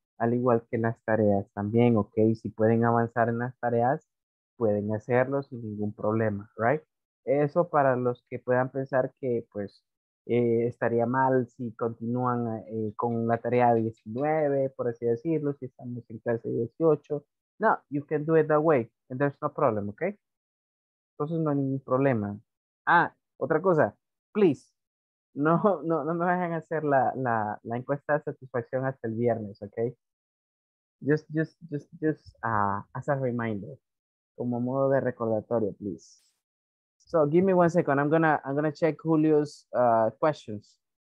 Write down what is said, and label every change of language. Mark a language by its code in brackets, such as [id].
[es] Al igual que las tareas también, ¿ok? Si pueden avanzar en las tareas, pueden hacerlo sin ningún problema, ¿right? Eso para los que puedan pensar que, pues, estaría mal si continúan con la tarea 19, por así decirlo, si estamos en clase 18. [en] No, you can do it that way, and there's no problem, ¿ok? [es] Entonces no hay ningún problema. Otra cosa. Please. No me vayan a hacer la encuesta de satisfacción hasta el viernes, ¿ok? [en] Just as a reminder. [es] Como modo de recordatorio, [en] please. So, give me one second. I'm gonna check Julio's questions.